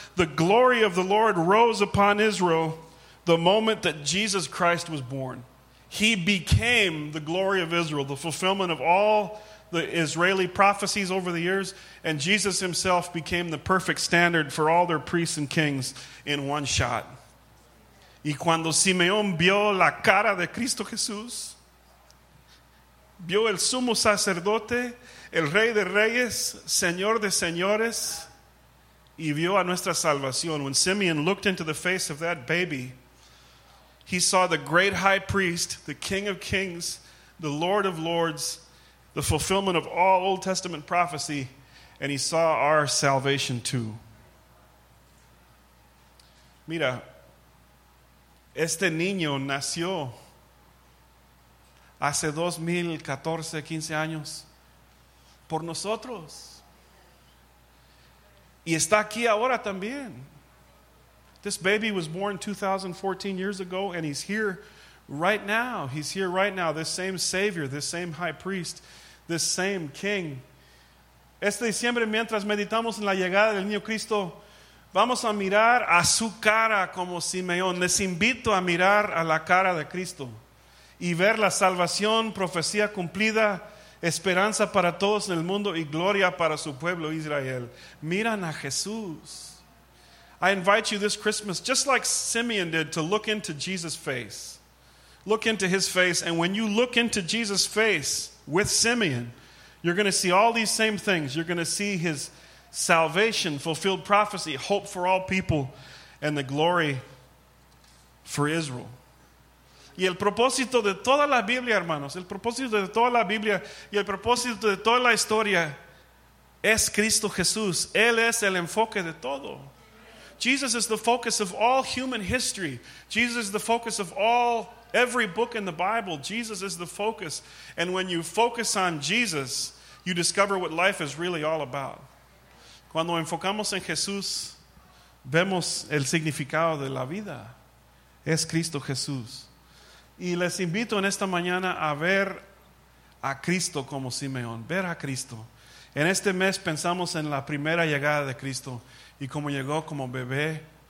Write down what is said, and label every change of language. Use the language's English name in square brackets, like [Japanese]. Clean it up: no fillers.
[English] The glory of the Lord rose upon Israel the moment that Jesus Christ was born. He became the glory of Israel, the fulfillment of all the Israeli prophecies over the years, and Jesus himself became the perfect standard for all their priests and kings in one shot. [Spanish] Y cuando Simeón vio la cara de Cristo Jesús, vio el sumo sacerdote, el rey de reyes, señor de señores, y vio a nuestra salvación. [English] When Simeón looked into the face of that baby, he saw the great high priest, the King of Kings, the Lord of Lords, the fulfillment of all Old Testament prophecy, and he saw our salvation too. [Spanish] Mira, este niño nació hace 2014, 15 años por nosotros. Y está aquí ahora también. [English] This baby was born 2014 years ago, and he's here right now. He's here right now, this same Savior, this same High Priest, this same King. [Spanish] Este diciembre, mientras meditamos en la llegada del niño Cristo, vamos a mirar a su cara como Simeón. Les invito a mirar a la cara de Cristo y ver la salvación, profecía cumplida, esperanza para todos en el mundo y gloria para su pueblo Israel. Miran a Jesús. [English] I invite you this Christmas, just like Simeón did, to look into Jesus' face. Look into his face. And when you look into Jesus' face with Simeón, you're going to see all these same things. You're going to see his salvation, fulfilled prophecy, hope for all people, and the glory for Israel. [Spanish] Y el propósito de toda la Biblia, hermanos, el propósito de toda la Biblia y el propósito de toda la historia es Cristo Jesús. Él es el enfoque de todo. [English] Jesus is the focus of all human history. Jesus is the focus of every book in the Bible. Jesus is the focus. And when you focus on Jesus, you discover what life is really all about. [Spanish] Cuando enfocamos en Jesús, vemos el significado de la vida. Es Cristo Jesús. Y les invito en esta mañana a ver a Cristo como Simeón. Ver a Cristo. En este mes pensamos en la primera llegada de Cristo y cómo llegó como bebé.